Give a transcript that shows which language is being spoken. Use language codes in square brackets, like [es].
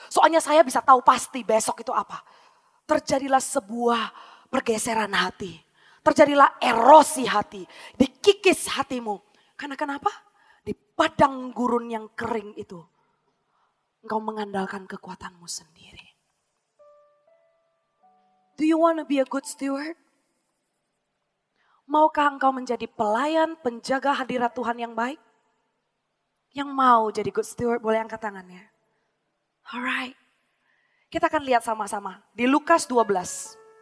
[id] Soalnya saya bisa tahu pasti besok itu apa. Terjadilah sebuah pergeseran hati. Terjadilah erosi hati. Dikikis hatimu. Karena kenapa? Di padang gurun yang kering itu, engkau mengandalkan kekuatanmu sendiri. [en] Do you want to be a good steward? [id] Maukah engkau menjadi pelayan, penjaga hadirat Tuhan yang baik? Yang mau jadi [en] good steward, [id] boleh angkat tangannya. Alright. Kita akan lihat sama-sama di Lukas 12.